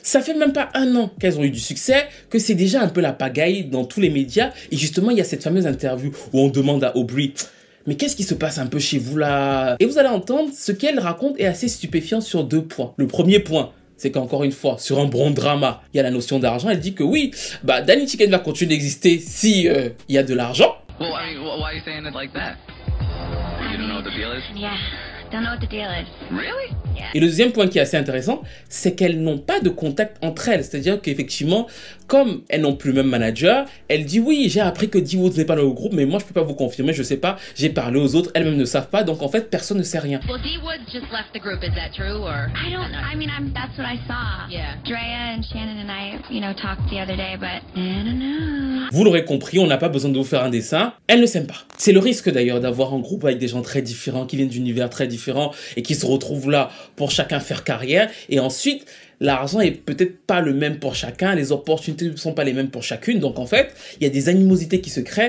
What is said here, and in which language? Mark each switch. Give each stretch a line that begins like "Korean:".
French: Ça fait même pas un an qu'elles ont eu du succès, que c'est déjà un peu la pagaille dans tous les médias, et justement il y a cette fameuse interview où on demande à Aubrey: mais qu'est-ce qui se passe un peu chez vous là? Et vous allez entendre, ce qu'elle raconte est assez stupéfiant sur deux points. Le premier point, c'est qu'encore une fois, sur un bon drama, il y a la notion d'argent. Elle dit que oui, bah Danny Chicken va continuer d'exister si il y a de l'argent.
English: Well, I mean, why are you saying it like that? You don't know what the deal is? Yeah. Don't know what the deal is. Really? Yeah.
French: Et le deuxième point qui est assez intéressant, c'est qu'elles n'ont pas de contact entre elles. C'est-à-dire qu'effectivement, comme elles n'ont plus le même manager, elle dit oui, j'ai appris que Dee Woods n'est pas dans le groupe, mais moi je peux pas vous confirmer, je sais pas, j'ai parlé aux autres, elles-mêmes ne savent pas, donc en fait personne ne sait rien.
English: Well, Dee Woods just left the group, is that true? Or... I don't know. I mean, I'm, that's what I saw. Yeah. Drea and Shannon and I, you know, talked the other day, but I don't know.
French: Vous l'aurez compris, on n'a pas besoin de vous faire un dessin, elles ne s'aiment pas. C'est le risque d'ailleurs d'avoir un groupe avec des gens très différents qui viennent d'univers très différents et qui se retrouvent là pour chacun faire carrière, et ensuite l'argent est peut-être pas le même pour chacun, les opportunités ne sont pas les mêmes pour chacune, donc en fait il y a des animosités qui se créent.